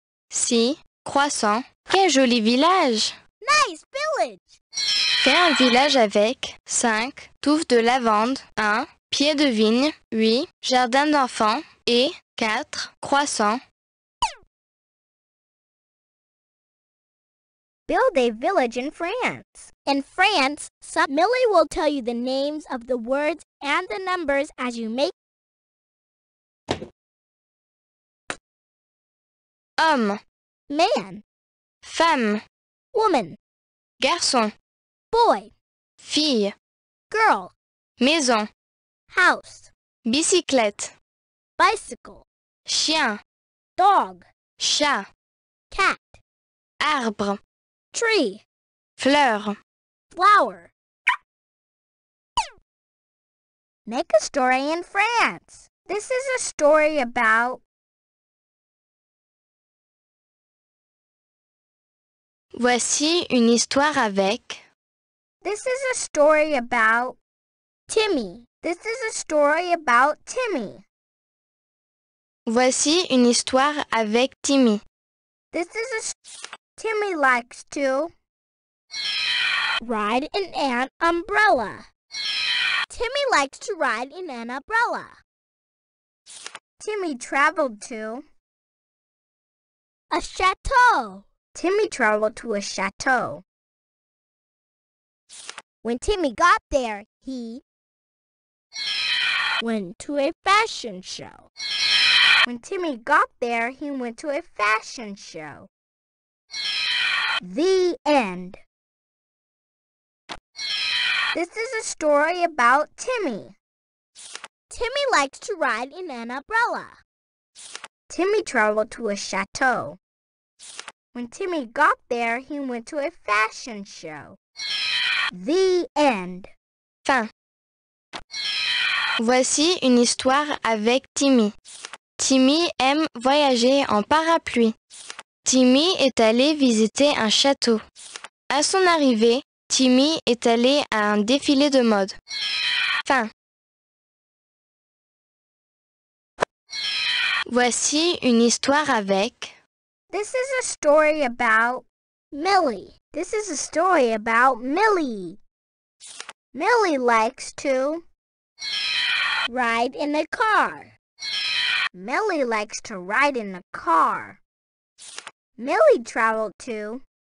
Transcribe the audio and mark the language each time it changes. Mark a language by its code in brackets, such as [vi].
[fr] 6 croissants. Quel joli village! [en] Nice village! [fr] Fais un village avec 5 touffes de lavande, 1 pied de vigne, 8 jardin d'enfants et 4 croissants. [en] Build a village in France. In France, Millie will tell you the names of the words and the numbers as you make. [fr] Homme. [en] Man. [fr] Femme. [en] Woman. [fr] Garçon. [en] Boy. [fr] Fille. [en] Girl. [fr] Maison. [en] House. [fr] Bicyclette. [en] Bicycle. [fr] Chien. [en] Dog. [fr] Chat. [en] Cat. [fr] Arbre. [en] Tree. [fr] Fleur. [en] Flower. Make a story in France. This is a story about... [fr] Voici une histoire avec... [en] This is a story about... Timmy. This is a story about Timmy. [fr] Voici une histoire avec Timmy. [en] This is a... Timmy likes to... ride in an umbrella. Timmy likes to ride in an umbrella. Timmy traveled to... a chateau. Timmy traveled to a chateau. When Timmy got there, he... went to a fashion show. When Timmy got there, he went to a fashion show. The end. This is a story about Timmy. Timmy likes to ride in an umbrella. Timmy traveled to a chateau. When Timmy got there, he went to a fashion show. The end. [fr] Fin. Voici une histoire avec Timmy. Timmy aime voyager en parapluie. Timmy est allé visiter un château. À son arrivée, Timmy est allé à un défilé de mode. Fin. Voici une histoire avec... [en] This is a story about... Millie. This is a story about Millie. Millie likes to... ride in a car. Millie likes to ride in a car. Millie traveled to...